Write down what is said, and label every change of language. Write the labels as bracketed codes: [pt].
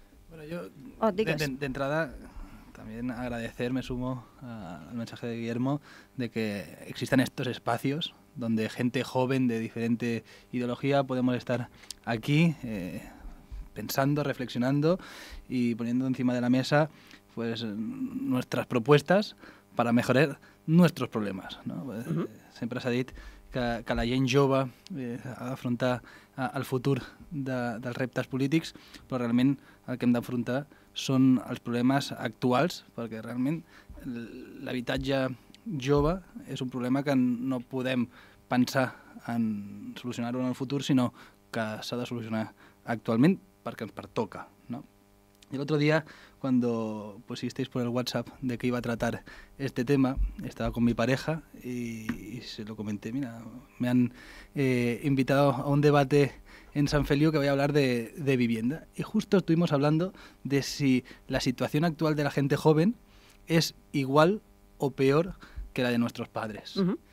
[es] Bueno, yo de entrada también agradecer, me sumo al mensaje de Guillermo, de que existan estos espacios donde gente joven de diferente ideología podemos estar aquí pensando, reflexionando y poniendo encima de la mesa pues nuestras propuestas para mejorar nuestros problemas, ¿no? Uh-huh. [ca] Sempre s'ha dit que la gent jove ha d'afrontar el futur dels reptes polítics, però realment el que hem d'afrontar són els problemes actuals, perquè realment l'habitatge jove és un problema que no podem pensar en solucionar-ho en el futur, sinó que s'ha de solucionar actualment perquè ens pertoca, no? [es] Y el otro día, cuando pusisteis por el WhatsApp de que iba a tratar este tema, estaba con mi pareja y se lo comenté. Mira, me han invitado a un debate en San Feliu que voy a hablar de vivienda. Y justo estuvimos hablando de si la situación actual de la gente joven es igual o peor que la de nuestros padres. Uh-huh.